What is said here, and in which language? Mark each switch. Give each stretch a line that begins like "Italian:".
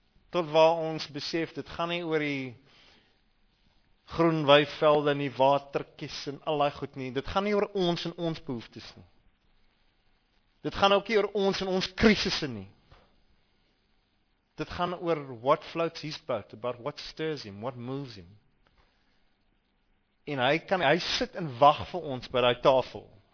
Afrikaans: Tot waar ons besef, dit gaan nie oor die groen weivelde en die waterkies en al die goed nie, dit gaan nie oor ons en ons behoeftes nie. Dit gaan ook nie oor ons en ons krisisse nie. Dit gaan oor
English: what floats his boat, about what stirs him, what moves him.
Afrikaans: En hy sit en wag vir ons by die tafel.